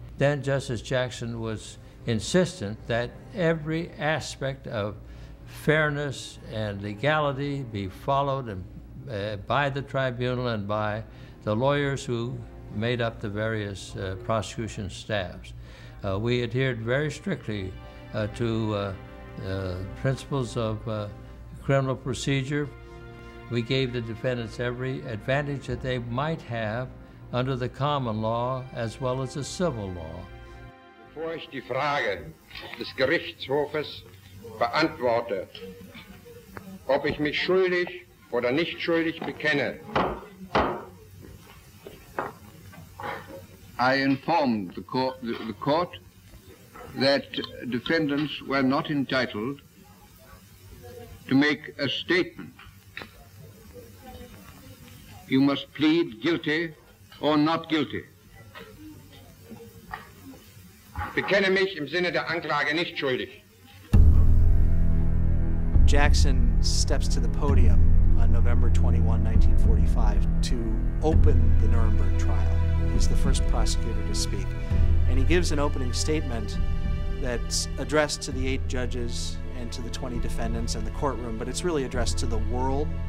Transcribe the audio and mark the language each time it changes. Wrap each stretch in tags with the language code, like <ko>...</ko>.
<en>Then Justice Jackson was insistent that every aspect of fairness and legality be followed and, by the tribunal and by the lawyers who made up the various prosecution staffs. We adhered very strictly to principles of criminal procedure. We gave the defendants every advantage that they might have under the common law as well as the civil law.</en> <de>Bevor ich die Frage des Gerichtshofes beantworte, ob ich mich schuldig oder nicht schuldig bekenne,</de> <en>I informed the court that defendants were not entitled to make a statement. You must plead guilty or not guilty.</en> <de>Bekenne mich im Sinne der Anklage nicht schuldig.</de> <en>Jackson steps to the podium on November 21, 1945 to open the Nuremberg trial. He's the first prosecutor to speak. And he gives an opening statement that's addressed to the 8 judges and to the 20 defendants and the courtroom, but it's really addressed to the world.</en>